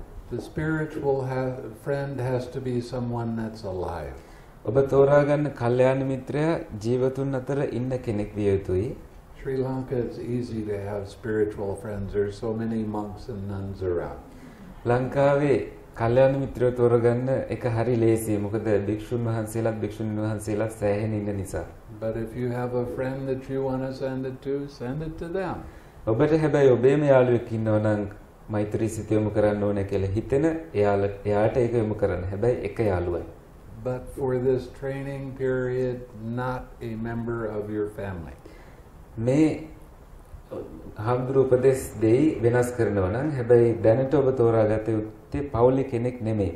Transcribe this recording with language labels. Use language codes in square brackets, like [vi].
[en] The spiritual friend has to be someone that's alive. [si] ඔබ තෝරාගන්න කල්යාණ මිත්‍රයා ජීවතුන් අතර ඉන්න කෙනෙක් විය යුතුයි. [en] Sri Lanka is easy to have spiritual friends. There are so many monks and nuns around. [si] ලංකාවේ කල්යාණ මිත්‍රයෝ තෝරගන්න එක හරි ලේසියි. මොකද භික්ෂුන් වහන්සේලාත් භික්ෂුණීන් වහන්සේලාත් සෑහෙන ඉන්න නිසා. [en] But if you have a friend that you want to send it to, send it to them. [si] ඔබට හැබැයි ඔබේම යාළුවෙක් ඉන්නවා නම් මෛත්‍රී සිත යොමු කරන්න ඕනේ කියලා හිතෙන එයාට ඒක යොමු කරන්න. හැබැයි එක යාළුවයි. [en] But for this training period, not a member of your family. [si] මේ හම්දුරු උපදෙස් දෙයි වෙනස් කරනවා නම් හැබැයි දැනට ඔබ තෝරාගත යුත්තේ පවුලේ කෙනෙක් නෙමෙයි.